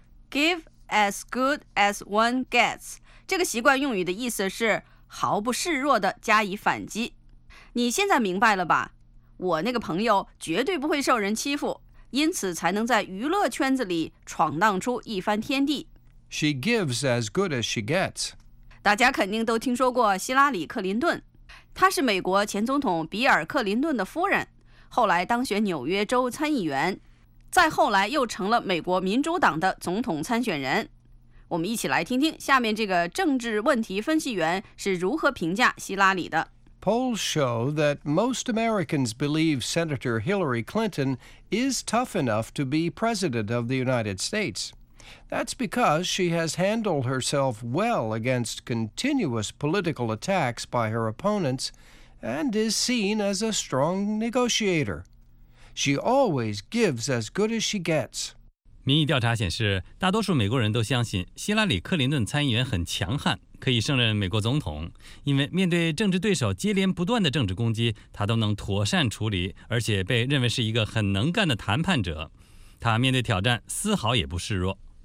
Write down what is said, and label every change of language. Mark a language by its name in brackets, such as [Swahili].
[English] Give as good as one gets. [Chinese] 这个习惯用语的意思是毫不示弱地加以反击。你现在明白了吧？我那个朋友绝对不会受人欺负，因此才能在娱乐圈子里闯荡出一番天地。 [English] She gives as good as she gets. [Chinese] 大家肯定都听说过希拉里·克林顿，她是美国前总统比尔·克林顿的夫人，后来当选纽约州参议员，再后来又成了美国民主党的总统参选人。我们一起来听听下面这个政治问题分析员是如何评价希拉里的。 [English] Polls show that most Americans believe Senator Hillary Clinton is tough enough to be President of the United States. That's because she has handled herself well against continuous political attacks by her opponents and is seen as a strong negotiator. She always gives as good as she gets. [Chinese] 民意调查显示，大多数美国人都相信希拉里·克林顿参议员很强悍。可以胜任美国总统，因为面对政治对手接连不断的政治攻击，他都能妥善处理，而且被认为是一个很能干的谈判者。他面对挑战丝毫也不示弱。